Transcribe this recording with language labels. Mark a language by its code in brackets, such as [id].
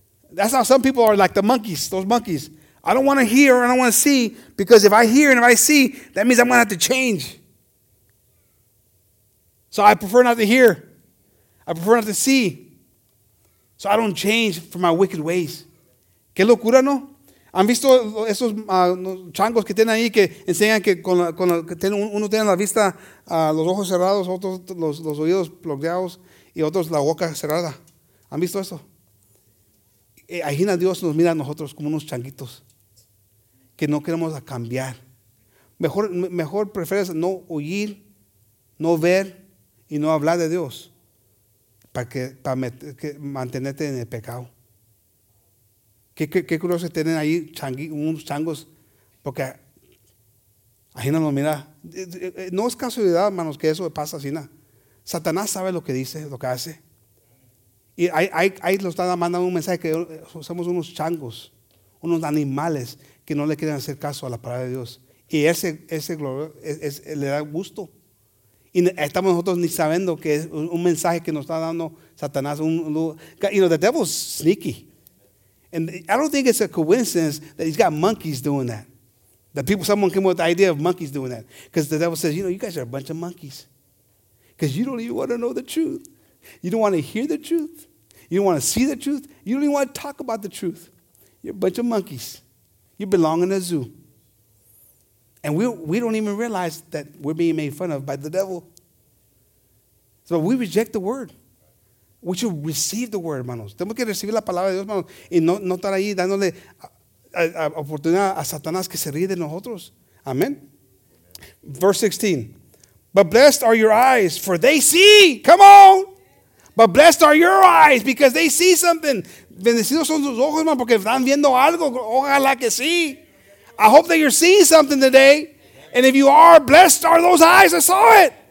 [en] That's how some people are, like the monkeys, those monkeys. I don't want to hear, I don't want to see, because if I hear and if I see, that means I'm going to have to change. So I prefer not to hear. I prefer not to see. So I don't change from my wicked ways. [es] ¿Qué locura, no? ¿Han visto esos changos que tienen ahí que enseñan que uno tiene la vista, los ojos cerrados, otros los oídos bloqueados, y otros la boca cerrada? ¿Han visto eso? Imagina, Dios nos mira a nosotros como unos changuitos que no queremos cambiar. Mejor prefieres no oír, no ver y no hablar de Dios para mantenerte en el pecado. ¿Qué curioso tienen ahí unos changos? Porque imagina, nos mira. No es casualidad, hermanos, que eso pasa así, nada. Satanás sabe lo que dice, lo que hace. Y ahí nos están mandando un mensaje que somos unos changos, unos animales que no le quieren hacer caso a la palabra de Dios. Y ese le da gusto. Y estamos nosotros ni sabiendo que es un mensaje que nos está dando Satanás. [en] The devil's sneaky. And I don't think it's a coincidence that he's got monkeys doing that. That people, someone came with the idea of monkeys doing that. Because the devil says, you guys are a bunch of monkeys. Because you don't even want to know the truth. You don't want to hear the truth. You don't want to see the truth. You don't even want to talk about the truth. You're a bunch of monkeys. You belong in a zoo. And we don't even realize that we're being made fun of by the devil. So we reject the word. We should receive the word, hermanos. [es] Tenemos que recibir la palabra de Dios, hermanos. Y no estar ahí dándole oportunidad a Satanás que se ríe de nosotros. Amen. Verse 16. [en] But blessed are your eyes, for they see. Come on. But blessed are your eyes, because they see something. [es] Bendecidos son sus ojos, hermano, porque están viendo algo. Ojalá que sí. [en] I hope that you're seeing something today. And if you are, blessed are those eyes that saw it.